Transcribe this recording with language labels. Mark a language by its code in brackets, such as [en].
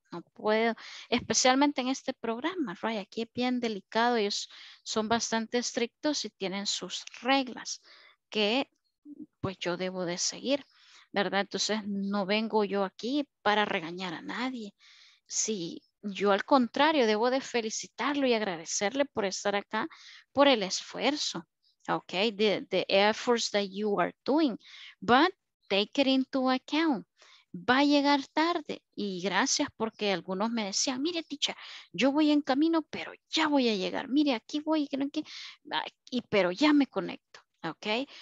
[es] No puedo, especialmente en este programa, right? Aquí es bien delicado, ellos son bastante estrictos y tienen sus reglas que pues yo debo de seguir, ¿verdad? Entonces no vengo yo aquí para regañar a nadie. Si yo al contrario, debo de felicitarlo y agradecerle por estar acá, por el esfuerzo, ¿ok? [en] The efforts that you are doing, but take it into account. [es] Va a llegar tarde y gracias porque algunos me decían, mire, teacher, yo voy en camino, pero ya voy a llegar. Mire, aquí voy, creo que, y pero ya me conecto, ¿ok?